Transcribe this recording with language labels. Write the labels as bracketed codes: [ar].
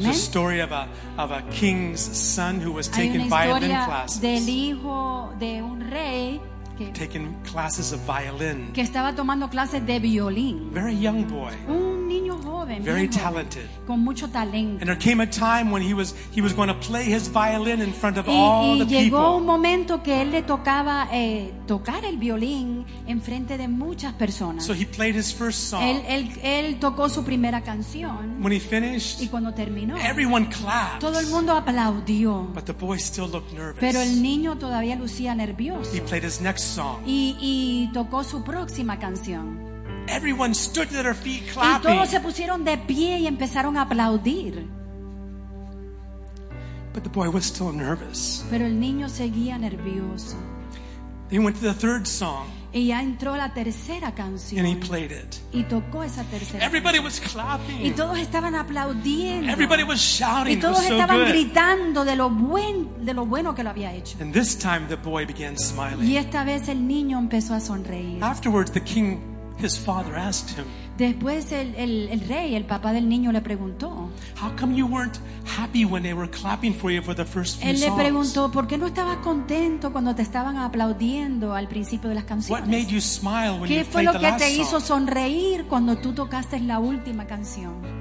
[en] The story of a king's son who was taken violin classes. [es] Del hijo de un rey. [en] Taking classes of violin. [es] Que estaba tomando clases de violín. [en] Very young boy. [es] Un niño joven. [en] Very talented. [es] Con mucho talento. [en] And there came a time when he was going to play his violin in front of all the people. [es] Y llegó un momento que él le tocaba tocar el violín en frente de muchas personas. [en] So he played his first song. [es] Él tocó su primera canción. [en] When he finished. [es] Y cuando terminó. [en] Everyone clapped. [es] Todo el mundo aplaudió. [en] But the boy still looked nervous. [es] Pero el niño todavía lucía nervioso. [en] He played his next song. [es] Y tocó su próxima canción. [en] Everyone stood at their feet clapping. [es] Y todos se pusieron de pie y empezaron a aplaudir. [en] But the boy was still nervous. [es] Pero el niño seguía nervioso. [en] He went to the third song. [es] Y ya entró la tercera canción. [en] And he played it. [es] Y tocó esa tercera. [en] Everybody was clapping. [es] Y todos estaban aplaudiendo. [en] Everybody was shouting. [es] Y todos estaban [en] so [es] gritando de lo bueno que lo había hecho. [en] And this time the boy began smiling. [es] Y esta vez el niño empezó a sonreír. [en] Afterwards, the king, his father, asked him. [es] Después el rey, el papá del niño, le preguntó. [en] How come you weren't happy when they were clapping for you for the first few songs? [es] Él le preguntó, ¿por qué no estabas contento cuando te estaban aplaudiendo al principio de las canciones? [en] What made you smile when you played the last song? [es] ¿Qué fue lo que te hizo sonreír cuando tú tocaste la última canción?